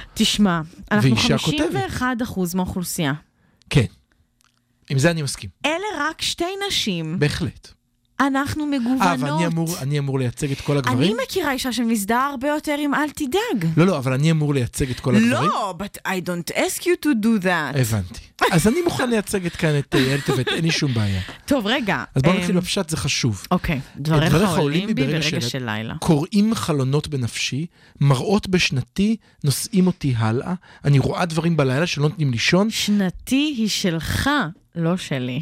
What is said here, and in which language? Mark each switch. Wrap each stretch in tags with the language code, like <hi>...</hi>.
<he>תשמע, אנחנו 51% מהאוכלוסייה. כן. עם זה אני מסכים. אלה רק שתי נשים. בהחלט. אנחנו מגוונות. אבל אני אמור לייצג את כל הגברים? אני מכירה אישה שמזדהה הרבה יותר עם אל תדאג. לא, לא, אבל אני אמור לייצג את כל הגברים? לא,</he> <en>but I don't ask you to do that.</en> <he>הבנתי. אז אני מוכן לייצג את כאן את אל תוות, אין לי שום בעיה. טוב, רגע. אז בואו נתחיל בפשט, זה חשוב. אוקיי, דבריך עולים בי ברגע של לילה. קוראים חלונות בנפשי, מראות בשנתי, נושאים אותי הלאה, אני רואה דברים בלילה שלא נותנים לישון. שנתי היא שלך, לא שלי.</he>